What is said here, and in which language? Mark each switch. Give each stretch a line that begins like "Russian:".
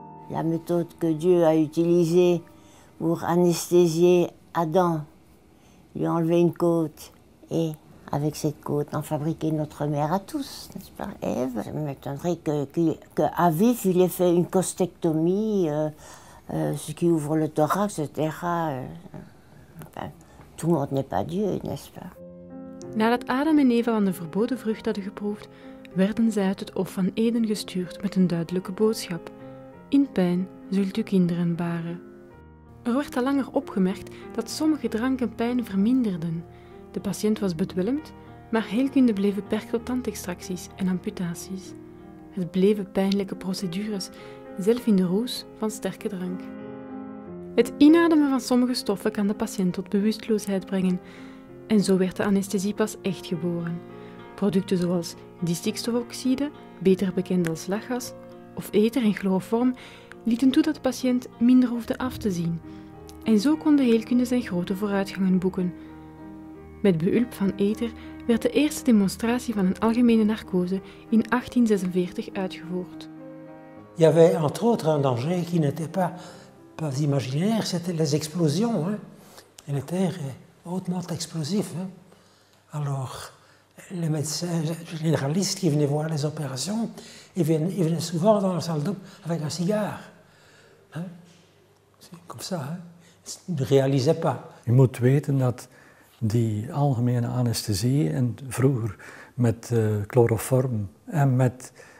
French: La méthode que Dieu a utilisée pour anesthésier Adam, lui enlever une côte et... avec cette côte, en fabriquer notre mère à tous, n'est-ce pas, Ève? Je m'étonnerais que à vif, il ait fait une costectomie, ce qui ouvre le thorax, etc. Enfin, tout le monde n'est pas Dieu, n'est-ce pas?
Dutch: Nadat Adam en Eva van de verboden vrucht hadden geproefd, werden zij uit het Hof van Eden gestuurd met een duidelijke boodschap. In pijn zult u kinderen baren. Er werd al langer opgemerkt dat sommige dranken pijn verminderden. De patiënt was bedwelmd, maar heelkunde bleven percotantextracties en amputaties. Het bleven pijnlijke procedures, zelf in de roes van sterke drank. Het inademen van sommige stoffen kan de patiënt tot bewusteloosheid brengen. En zo werd de anesthesie pas echt geboren. Producten zoals distikstofoxide, beter bekend als lachgas, of ether en chloroform, lieten toe dat de patiënt minder hoefde af te zien. En zo kon de heelkunde zijn grote vooruitgangen boeken. Met behulp van ether werd de eerste demonstratie van een algemene narcose in 1846 uitgevoerd.
French: Il y avait entre autres un danger qui n'était pas imaginaire, c'était les explosions. Hein. Le ether est hautement explosif. Hein. Alors, les médecins généralistes qui venaient voir les opérations, ils venaient souvent dans la salle d'op avec un cigare. Hein. C'est comme ça. Hein. Ils ne réalisaient pas.
Dutch: Je moet weten dat die algemene anesthesie en vroeger met chloroform en met